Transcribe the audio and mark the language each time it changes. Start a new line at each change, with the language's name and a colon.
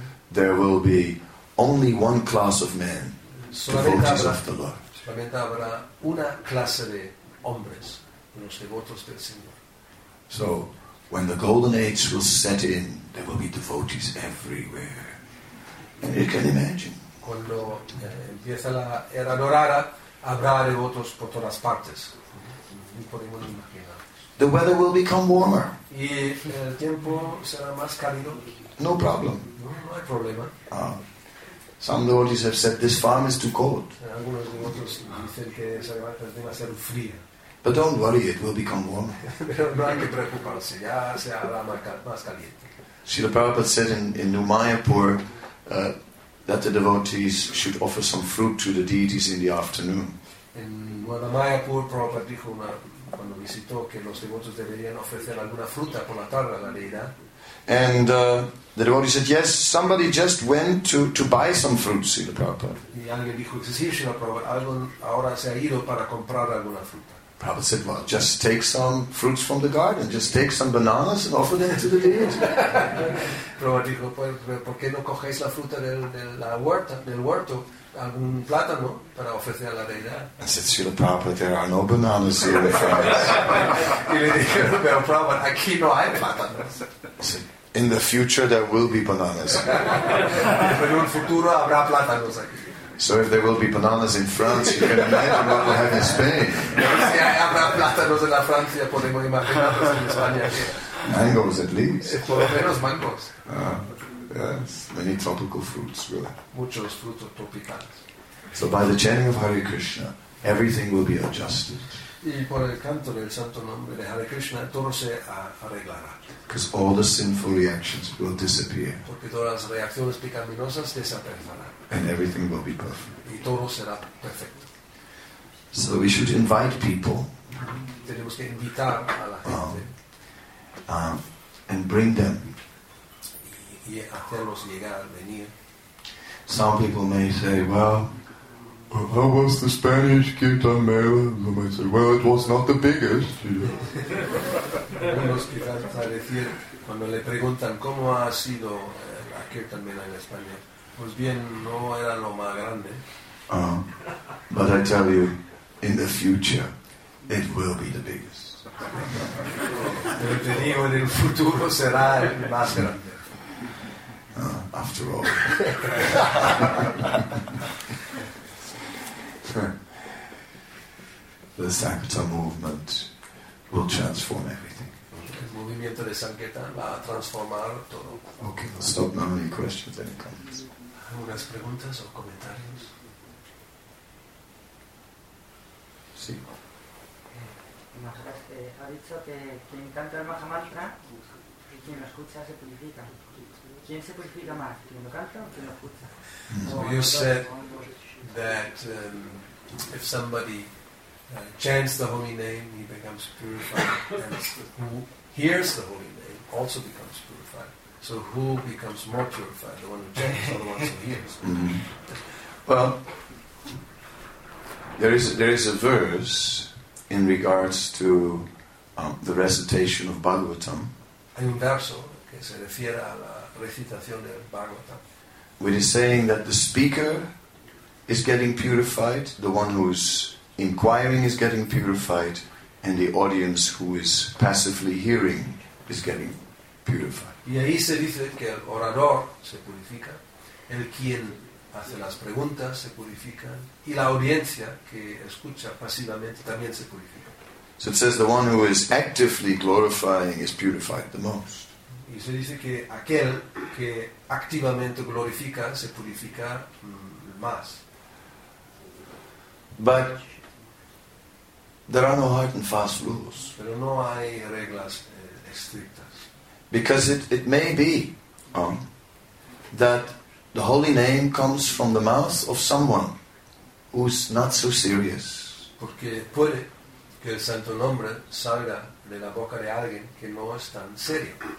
English: There will be only one class of men, devotees of the Lord.
Spanish: Solamente habrá una clase de hombres, los devotos del Señor.
English: So, when the golden age will set in, there will be devotees everywhere. And you can imagine.
Spanish: Cuando empieza la era dorada, habrá devotos por todas partes. No podemos imaginar.
English: The weather will become warmer.
Spanish: Y el tiempo será más cálido.
English: No problem.
Spanish: No hay problema.
English: Some devotees have said this farm is too cold.
Spanish: Algunos devotos dicen que esa granja es demasiado fría.
English: But don't worry, it will become warmer.
Spanish: No hay que preocuparse, ya se hará más caliente.
English: Srila Prabhupada said in New Mayapur that the devotees should offer some fruit to the deities in the afternoon.
Spanish: En New Mayapur, Prabhupada dijo cuando visitó que los devotos deberían ofrecer alguna fruta por la tarde a la deidad.
English: And the devotee said, yes, somebody just went to buy some fruit, Srila Prabhupada.
Spanish: Y alguien dijo, sí, Srila Prabhupada, alguien ahora se ha ido para comprar alguna fruta.
English: Prabhupada said, well, just take some fruits from the garden, just take some bananas and offer them to the deity.
Spanish: Prabhupada dijo, ¿por qué no cogéis la fruta del huerto, algún plátano, para ofrecer a la deidad?
English: I said, Srila Prabhupada, there are no bananas here, my friends.
Spanish: Y le dije, pero Prabhupada, aquí no hay plátanos.
English: In the future there will be bananas.
Spanish: En un futuro habrá plátanos aquí.
English: So if there will be bananas in France, you can imagine what we'll have in Spain.
Spanish: Si habrá plátanos en la Francia, podemos imaginarnos en España.
English: Mangoes at least.
Spanish: Por lo menos mangos.
English: Yes, many tropical fruits, really.
Spanish: Muchos frutos tropicales.
English: So by the chanting of Hare Krishna, everything will be adjusted.
Spanish: Y por el canto del santo nombre de Hare Krishna, todo se arreglará.
English: Because all the sinful reactions will disappear.
Spanish: Porque todas las reacciones pecaminosas desaparecerán.
English: And everything will be perfect.
Spanish: Y todo será perfecto.
English: So we should invite people.
Spanish: Tenemos que invitar a la gente.
English: And bring them.
Spanish: Y hacerlos llegar, venir.
English: Some people may say, well, how was the Spanish Kirtan Mela? They might say, well, it was not the biggest.
Spanish: Algunos quizás van a decir, cuando le preguntan cómo ha sido la Kirtan Mela en España, pues bien, no era lo más grande.
English: But I tell you, in the future, it will be the biggest.
Spanish: Pero te digo, en el futuro será el más grande.
English: After all. The Sankirtan movement will transform everything.
Spanish: El movimiento de Sankirtan va a transformar todo.
English: Okay, I'll stop now. Any questions, any comments?
Spanish: ¿Algunas preguntas o comentarios? Sí. Maharaj, ha dicho que quien canta el Maha Mantra y quien lo escucha se purifica. ¿Quién se purifica más? ¿Quien lo canta o quien lo escucha?
English: You said that if somebody chants the holy name, he becomes purified. And who hears the holy name also becomes purified. So who becomes more purified? The one who chants or the one who hears? Well, there is a verse in regards to the recitation of Bhagavatam.
Spanish: Hay un verso que se refiere a la recitación del Bhagavatam.
English: Which is saying that the speaker is getting purified, the one who is inquiring is getting purified, and the audience who is passively hearing is getting purified.
Spanish: Y ahí se dice que el orador se purifica, el quien hace las preguntas se purifica, y la audiencia que escucha pasivamente también se purifica.
English: So it says the one who is actively glorifying is purified the most.
Spanish: Y se dice que aquel que activamente glorifica se purifica más.
English: But There are no hard and fast rules.
Spanish: Pero no hay reglas estrictas.
English: Because it may be that the holy name comes from the mouth of someone who's not so serious.
Spanish: Porque puede que el santo nombre salga de la boca de alguien que no es tan serio.